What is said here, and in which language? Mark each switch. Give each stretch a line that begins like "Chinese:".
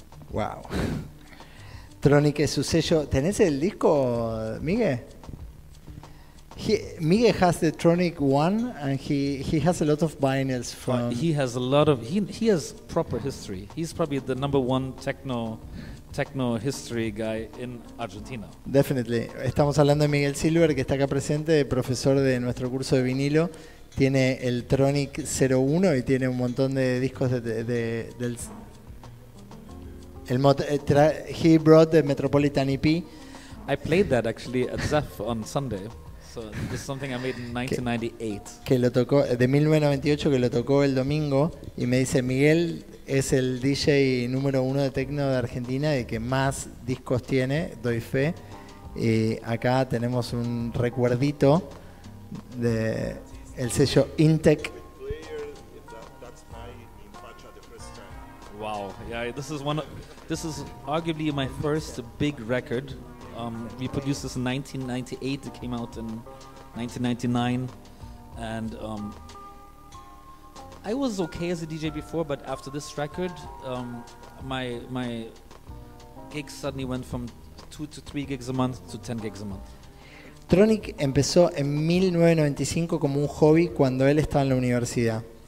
Spanish: Wow. Tronic es su sello. ¿Tenés el disco, Miguel?
English: Miguel has the Tronic One, and he has a lot of vinyls from. He has a lot of. He has proper history. He's probably the number one techno history guy in Argentina. Definitely.
Spanish: Estamos hablando de Miguel Silver, que está acá presente, profesor de nuestro curso de vinilo. Tiene el Tronic 01 y tiene un montón de discos del.
English: He brought the Metropolitan EP. I played that actually at Zef on Sunday. So this is something I made in 1998.
Spanish: Que lo tocó de 1998, que lo tocó el domingo, y me dice Miguel es el DJ número uno de techno de Argentina y que más discos tiene, doy fe. Y acá tenemos un recuerdito de el sello Intec.
English: Wow, yeah, this is arguably my first big record. We produced this in 1998. It came out in 1999, and I was okay as a DJ before. But after this record, my gigs suddenly went from 2 to 3 gigs a month to 10 gigs a month.
Spanish: Tronic empezó en 1995 como un hobby cuando él estaba en la universidad.